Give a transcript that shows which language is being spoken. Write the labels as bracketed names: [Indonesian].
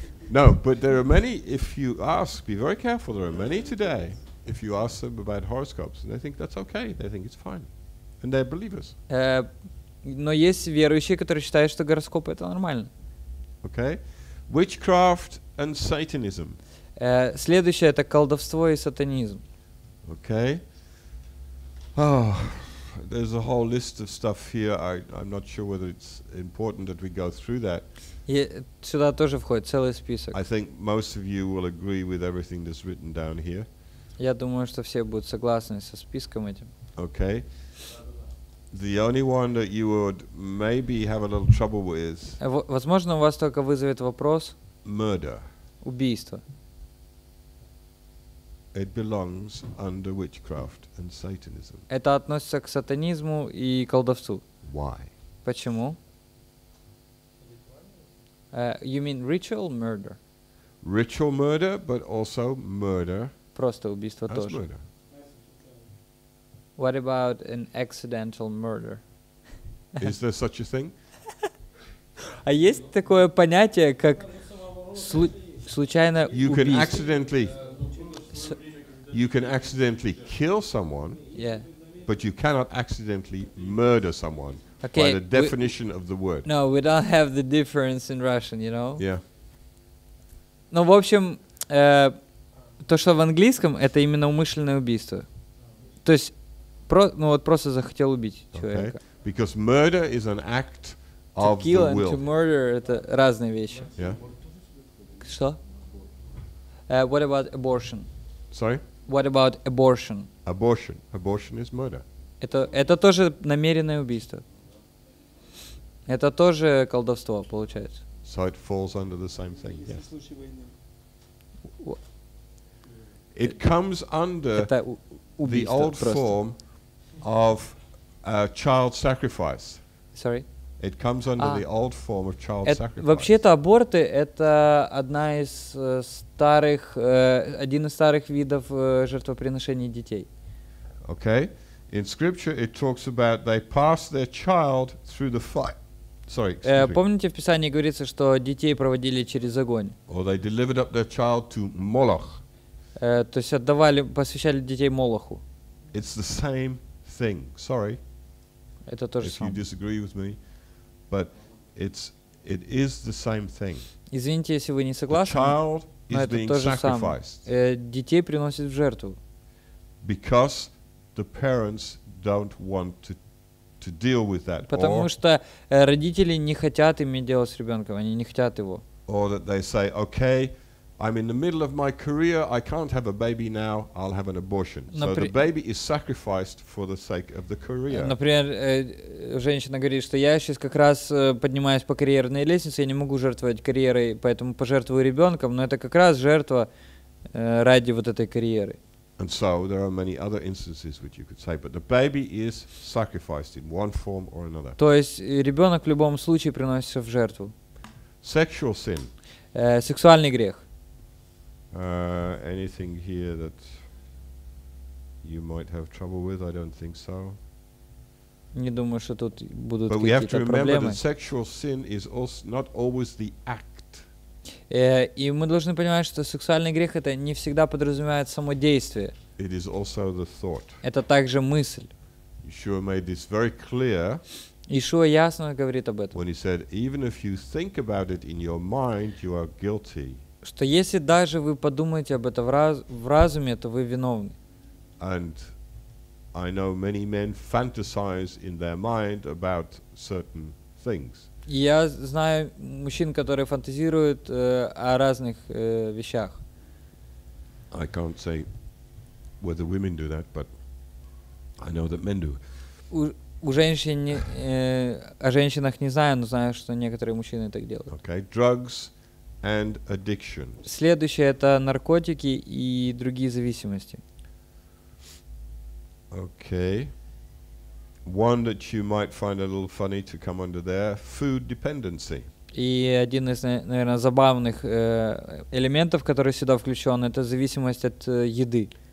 [English] No, but there are many, if you ask, be very careful, there are many today, if you ask them about horoscopes, and they think that's okay, they think it's fine. And they're believers. [Russian] Но есть верующие, которые считают, что гороскопы это нормально. [English] Okay. Witchcraft and Satanism. [Russian] Следующее это колдовство и сатанизм. [English] Okay. Oh. There's a whole list of stuff here. I'm not sure whether it's important that we go through that. [Russian] Сюда тоже входит целый список. [English] I think most of you will agree with everything that's written down here. [Russian] Я думаю, что все будут согласны со списком этим. [English] Okay. The only one that you would maybe have a little trouble with. [Russian] Возможно, у вас только вызовет вопрос. [English] Murder. [Russian] Убийство. [English] It belongs under witchcraft and Satanism. [Russian] Это относится к сатанизму и колдовству. [English] Why? [Russian] Почему? [English] You mean ritual murder? Ritual murder, but also murder. [Russian] Просто убийство тоже. [English] As murder. What about an accidental murder? Is there such a thing? А есть такое понятие, как случайное убийство? You can accidentally. You can accidentally kill someone, yeah, but you cannot accidentally murder someone, okay, by the definition of the word. No, we don't have the difference in Russian, you know? Yeah. [Russian] Ну, в общем, то, что в английском, это именно умышленное убийство. То есть, просто захотел убить человека. [English] Okay. Because murder is an act of To kill and to murder [Russian] — это разные вещи. [English] Yeah. [Russian] Что? [English] What about abortion? Sorry? What about abortion? Abortion. Abortion is murder. [Russian] Это тоже намеренное убийство. Это тоже колдовство, получается. [English] So it falls under the same thing. Yes. Yeah. It comes under the old [Russian] просто. [English] Form of child sacrifice. Sorry? It comes under the old form of child sacrifice. [Russian] Вообще-то аборты это одна из старых, один из старых видов жертвоприношений детей. [English] Okay. In scripture it talks about they pass their child through the fire. Sorry. [Russian] Помните, в Писании говорится, что детей проводили через огонь. [English] Or they delivered up their child to Moloch. [Russian] То есть отдавали, посвящали детей Молоху. [English] It's the same thing. Sorry. [Russian] Это то же самое. [English] If you disagree with me, but it is the same thing. [Russian] Извините, если вы не согласны. [English] The child [Russian] но [English] is being sacrificed. [Russian] Детей приносят в жертву. [English] Because the parents don't want to deal with that. [Russian] Потому что родители не хотят иметь дело с ребенком, они не хотят его. [English] Or that they say, okay, I'm in the middle of my career, I can't have a baby now, I'll have an abortion. So the baby is sacrificed for the sake of the career. [Russian] Например, женщина говорит, что я сейчас как раз поднимаюсь по карьерной лестнице, я не могу жертвовать карьерой, поэтому пожертвую ребенком, но это как раз жертва ради вот этой карьеры. [English] And so there are many other instances which you could say, but the baby is sacrificed in one form or another. [Russian] То есть ребенок в любом случае приносится в жертву. [English] Sexual sin. [Russian] Сексуальный грех. [English] Anything here that you might have trouble with? I don't think so. [Russian] Не думаю, что тут будут какие-то проблемы. [English] But we have to remember that sexual sin is also not always the act. [Russian] И мы должны понимать, что сексуальный грех это не всегда подразумевает само действие. [English] It is also the thought. [Russian] Это также мысль. [English] Yeshua made this very clear. [Russian] Yeshua ясно говорит об этом. [English] When he said, even if you think about it in your mind, you are guilty. [Russian] Что если даже вы подумаете об этом в разуме, то вы виновны. [English] And I know many men fantasize in their mind about certain things. [Russian] Я знаю мужчин, которые фантазируют о разных вещах. [English] I can't say whether women do that, but I know that men do. [Russian] О женщинах не знаю, но знаю, что некоторые мужчины так делают. [English] Okay, drugs and addiction. [Russian] Следующее это наркотики и другие зависимости. [English] Okay. One that you might find a little funny to come under there, food dependency. [Russian] И один из, наверное, забавных элементов, который сюда включен, это зависимость от еды.